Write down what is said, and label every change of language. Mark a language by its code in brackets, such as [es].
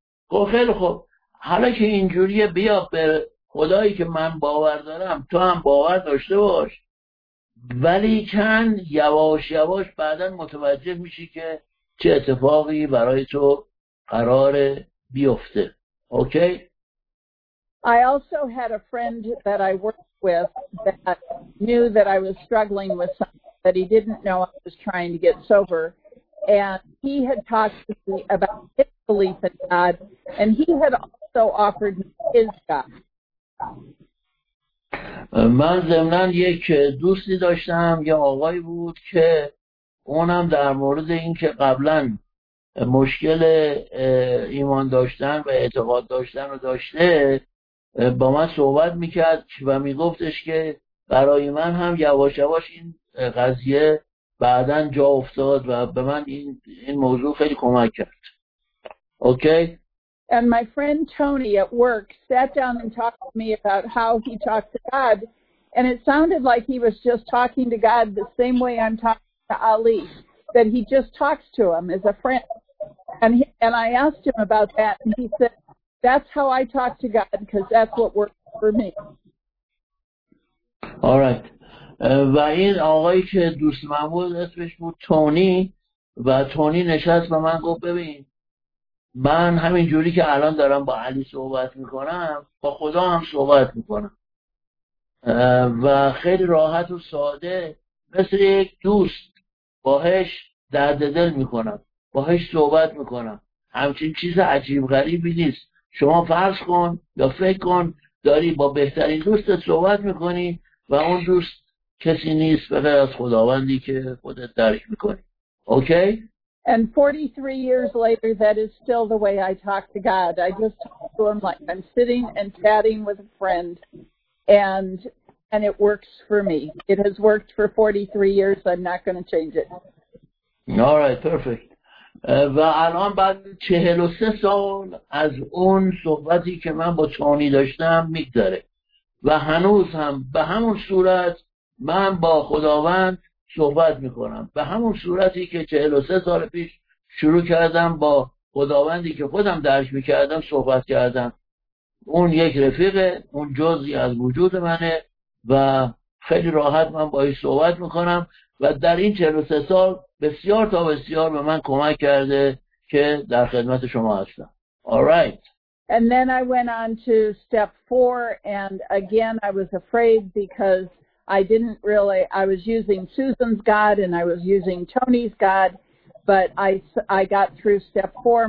[fa] گفت خیلی خوب، حالا که اینجوریه بیا به خدایی که من باور دارم تو هم باور داشته باش، ولیکن یواش یواش بعدا متوجه میشی که چه اتفاقی برای تو قرار بیفته. [en] Okay? I also had a friend that I worked with that knew that I was struggling with something that he didn't know I was trying to get sober, and he had talked to me about his belief in God and he had also offered me his God. [fa] من ضمناً یک دوستی داشتم، یه آقای بود که اونم در مورد این که قبلا مشکل ایمان داشتن و اعتقاد داشتن رو داشته با من صحبت میکرد و میگفتش که برای من هم یواش یواش این قضیه بعدا جا افتاد و به من این موضوع خیلی کمک کرد. [en] Okay? And my friend Tony at work sat down and talked to me about how he talked to God and it sounded like he was just talking to God the same way I'm talking to Ali, that he just talks to him as a friend. And I asked him about that, and he said, that's how I talk to God, because that's what works for me. All right. [fa] و این آقایی که دوست من بود اسمش بود تونی، و تونی نشست با من گفت ببین، من همین جوری که الان دارم با علی صحبت میکنم با خدا هم صحبت میکنم و خیلی راحت و ساده مثل یک دوست باهش درد دل میکنم، باهش صحبت میکنم. همچین چیز عجیب غریبی نیست. شما فرض کن یا فکر کن داری با بهترین دوستت صحبت میکنی و اون دوست کسی نیست به غیر از خداوندی که خودت درک میکنی. اوکی؟ [en] And 43 years later, that is still the way I talk to God. I just talk to him like I'm sitting and chatting with a friend, and it works for me. It has worked for 43 years. I'm not going to change it. All right, perfect. [fa] و الان بعد 43 سال از اون صحبتی که من با چانی داشتم میگذره و هنوز هم به همون صورت من با خداوند صحبت میکنم، به همون صورتی که 43 سال پیش شروع کردم با خداوندی که خودم درک میکردم صحبت کردم. اون یک رفیقه، اون جزئی از وجود منه و خیلی راحت من با این صحبت میکنم و در این 43 سال بسیار تا بسیار به من کمک کرده که در خدمت شما هستم. [en] All right. And then I went on to step 4 and again I was afraid because I was using Susan's God and I was using Tony's God, but I got through step 4.